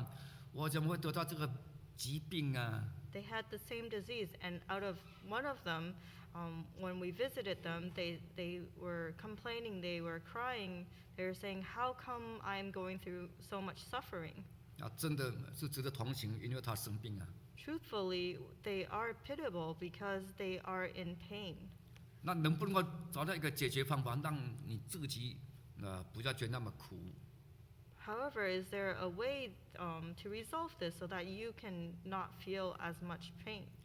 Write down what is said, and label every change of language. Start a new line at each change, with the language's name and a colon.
Chinese: 其中一位我们去访问他的时候，他哭啊，我怎么那么苦啊，我怎么会得到这个疾病啊？
English: They had the same disease, and out of one of them, when we visited them, they were complaining, they were crying, they were saying, how come I'm going through so much suffering?
Chinese: 真的是值得同情，因为他生病啊。
English: Truthfully, they are pitiable because they are in pain.
Chinese: 那能不能够找到一个解决方法，让你自己不再觉得那么苦？
English: However, is there a way to resolve this so that you can not feel as much pain?